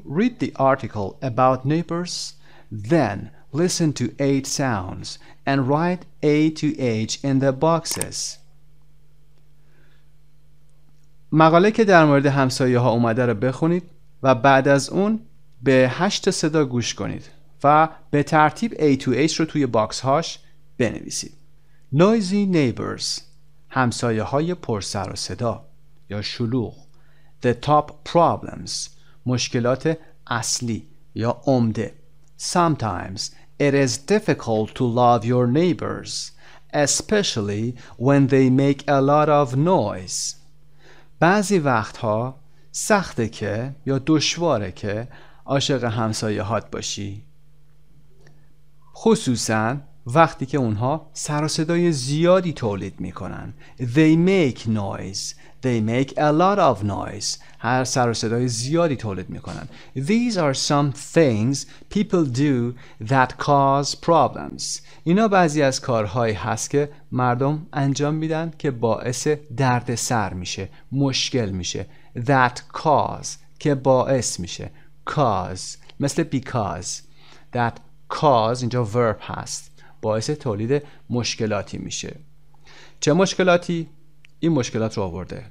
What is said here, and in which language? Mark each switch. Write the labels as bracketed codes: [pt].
[en] Read the article about neighbors, then listen to 8 sounds and write A to H in the boxes. [fa] مقاله که در مورد همسایه ها اومده رو بخونید و بعد از اون به 8 صدا گوش کنید و به ترتیب [en] A to H [fa] رو توی باکس هاش بنویسید. [en] Noisy neighbors، [fa] همسایه های پر سر و صدا یا شلوغ. [en] The top problems، [fa] مشکلات اصلی یا عمده. [en] Sometimes it is difficult to love your neighbors, especially when they make a lot of noise. [fa] بعضی وقتها سخته که یا دشواره که عاشق همسایه هات باشی، خصوصا وقتی که اونها سر و صدای زیادی تولید میکنن. [en] They make noise. They make a lot of noise. [fa] هر سر و صدای زیادی تولید میکنن. [en] These are some things people do that cause problems. [fa] اینا بعضی از کارهایی هست که مردم انجام میدن که باعث درد سر میشه، مشکل میشه. [en] That cause [fa] که باعث میشه. Cause مثل because. [en] That cause [fa] اینجا verb هست. باعث تولید مشکلاتی میشه. چه مشکلاتی؟ این مشکلات رو آورده.